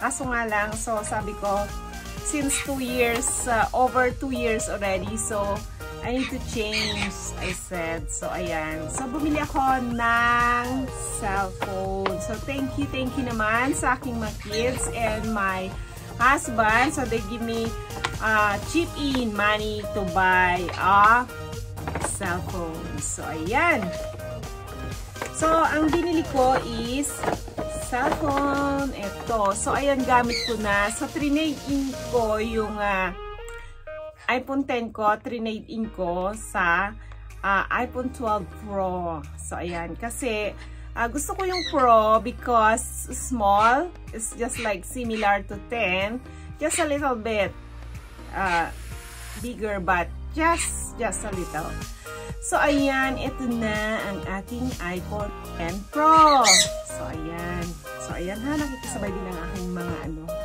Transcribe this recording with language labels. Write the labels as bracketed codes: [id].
[tl] Kaso nga lang, so sabi ko, [en] since 2 years, over 2 years already, so I need to change, I said. [tl] So, ayan. So, bumili ako ng cellphone. [en] So, thank you [tl] naman sa aking mga [en] kids and my husband. So, they give me chip in money to buy a cell phone. [tl] So, ayan. So, ang binili ko is cell phone. Ito. So, ayan, gamit ko na. So, trinade-in ko yung iPhone 10 ko. Trinade-in ko sa iPhone 12 Pro. So, ayan. Kasi, gusto ko yung Pro [en] because small. It's just like similar to 10. Just a little bit bigger, but just a little. [tl] So, ayan, ito na ang aking iPhone 10 Pro. So, ayan. So, ayan ha, nakikisabay din ang aking mga ano.